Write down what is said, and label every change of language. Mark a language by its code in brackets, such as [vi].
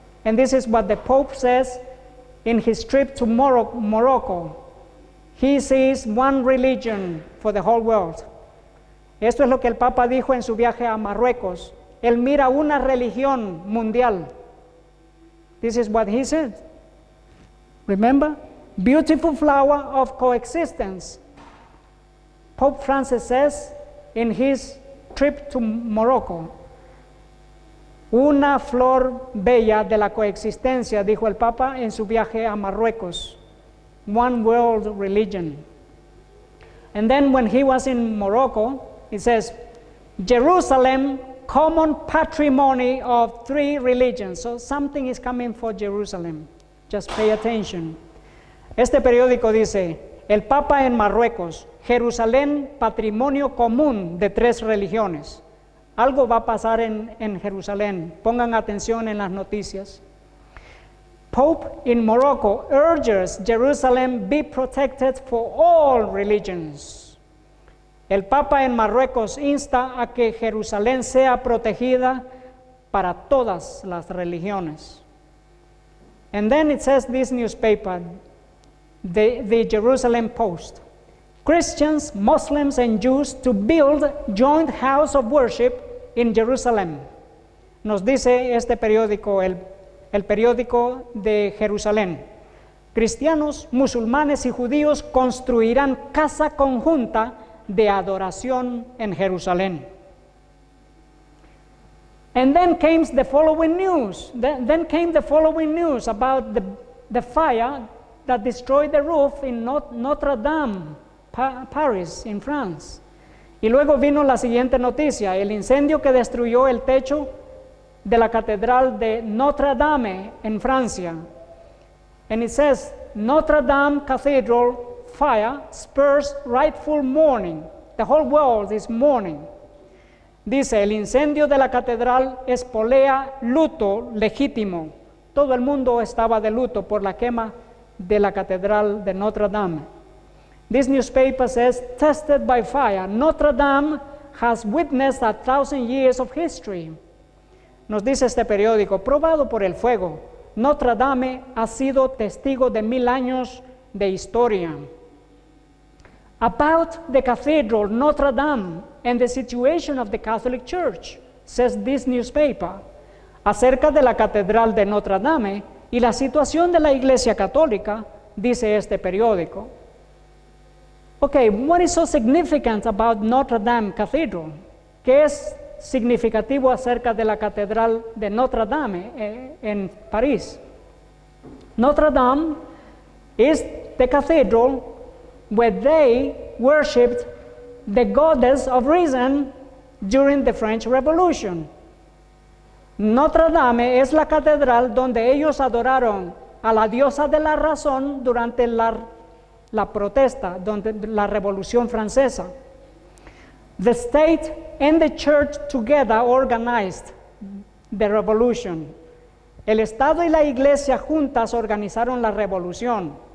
[en] And this is what the Pope says in his trip to Morocco. He sees one religion for the whole world. [es] Esto es lo que el Papa dijo en su viaje a Marruecos. Él mira una religión mundial. [en] This is what he said. Remember? Beautiful flower of coexistence. Pope Francis says in his trip to Morocco. [es] Una flor bella de la coexistencia, dijo el Papa en su viaje a Marruecos. [en] One world religion. And then when he was in Morocco, he says, Jerusalem, common patrimony of three religions. So something is coming for Jerusalem. Just pay attention. [es] Este periódico dice, el Papa en Marruecos, Jerusalén, patrimonio común de tres religiones. Algo va a pasar en Jerusalén. Pongan atención en las noticias. [en] Pope in Morocco urges Jerusalem be protected for all religions. [es] El Papa en Marruecos insta a que Jerusalén sea protegida para todas las religiones. [en] And then it says this newspaper, the Jerusalem Post. Christians, Muslims and Jews to build joint house of worship in Jerusalem. [es] Nos dice este periódico, el periódico de Jerusalén. Cristianos, musulmanes y judíos construirán casa conjunta de adoración en Jerusalén. [en] And then came the following news. Then came the following news about the fire that destroyed the roof in Notre Dame, Paris, in France. [es] Y luego vino la siguiente noticia, el incendio que destruyó el techo de la catedral de Notre Dame en Francia. [en] And it says, Notre Dame Cathedral fire spurs rightful mourning. The whole world is mourning. [es] Dice, el incendio de la catedral espolea luto legítimo. Todo el mundo estaba de luto por la quema de la catedral de Notre Dame. [en] This newspaper says, tested by fire, Notre Dame has witnessed 1,000 years of history. [es] Nos dice este periódico, probado por el fuego, Notre Dame ha sido testigo de 1,000 años de historia. [en] About the cathedral, Notre Dame, and the situation of the Catholic Church, says this newspaper, [es] acerca de la catedral de Notre Dame y la situación de la Iglesia Católica, dice este periódico. [en] Okay, what is so significant about Notre Dame Cathedral? [es] ¿Qué es significativo acerca de la catedral de Notre Dame en París? [en] Notre Dame is the cathedral where they worshipped the goddess of reason during the French Revolution. [es] Notre Dame es la catedral donde ellos adoraron a la diosa de la razón durante la protesta, donde la revolución francesa. [en] The state and the church together organized the revolution. [es] El Estado y la Iglesia juntas organizaron la revolución.